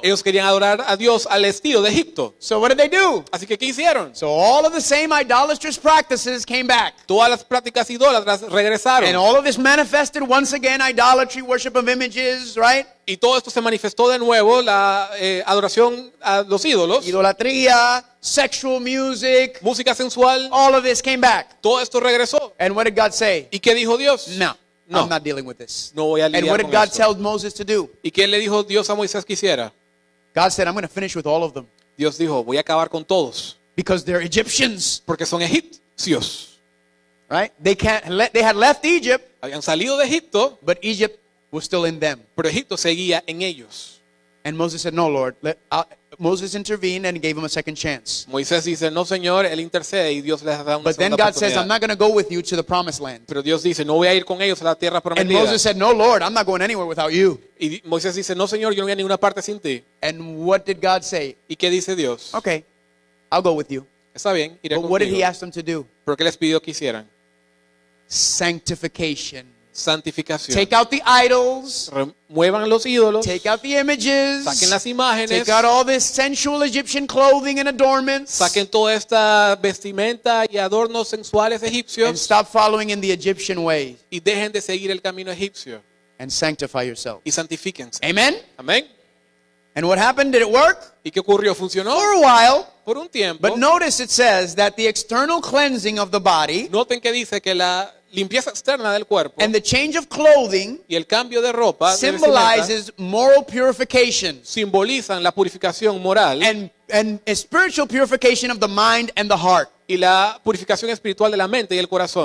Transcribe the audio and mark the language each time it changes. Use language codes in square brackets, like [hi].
[es] Ellos querían adorar a Dios al estilo de Egipto. [en] So what did they do? [es] Así que, ¿qué hicieron? [en] So all of the same idolatrous practices came back. [es] Todas las prácticas idólatras regresaron. [en] And all of this manifested once again, idolatry, worship of images, right? [es] Y todo esto se manifestó de nuevo, la adoración a los ídolos. Idolatría. [en] Sexual music, [es] música sensual, [en] all of this came back. [es] Todo esto regresó. [en] And what did God say? [es] ¿Y qué dijo Dios? [en] No, no, I'm not dealing with this. [es] No voy a lidiar con esto. [en] And what did God tell Moses to do? [es] ¿Y qué le dijo Dios a Moisés que hiciera? [en] God said, I'm going to finish with all of them. [es] Dios dijo, voy a acabar con todos. [en] Because they're Egyptians. [es] Porque son egipcios. [en] Right? They had left Egypt. [es] Habían salido de Egipto. [en] But Egypt was still in them. [es] Pero Egipto seguía en ellos. [en] And Moses said, no, Lord, Moses intervened and gave him a second chance. [es] Moisés dice, no, Señor, él intercede y Dios le da una segunda [en] But then God says, I'm not going to go with you to the promised land. [es] Pero Dios dice, no voy a ir con ellos a la tierra prometida. [en] And Moses said, no, Lord, I'm not going anywhere without you. [es] Y Moisés dice, no, Señor, yo no voy a ninguna parte sin ti. [en] And what did God say? [es] ¿Y qué dice Dios? [en] Okay, I'll go with you. [es] Está bien, iré contigo. [en] But what did he ask them to do? [es] ¿Pero qué les pidió que hicieran? [en] Sanctification. [es] Santificación. [en] Take out the idols. [es] Muevan los ídolos. [en] Take out the images. [es] Saquen las imágenes. [en] Take out all this sensual Egyptian clothing and adornments. [es] Saquen toda esta vestimenta y adornos sensuales egipcios. [en] And stop following in the Egyptian way. [es] Y dejen de seguir el camino egipcio. [en] And sanctify yourself. [es] Y santifíquense. Amen. Amen. [en] And what happened? Did it work? [es] ¿Y qué ocurrió? ¿Funcionó? [en] For a while. [es] Por un tiempo. [en] But notice it says that the external cleansing of the body. [es] Noten que dice que la limpieza externa del cuerpo. [en] And the change of clothing [es] y el cambio de ropa [en] symbolizes moral purification. [es] Simbolizan la purificación moral. [en] And a spiritual purification of the mind and the heart. [es] Y la purificación espiritual de la mente y el corazón.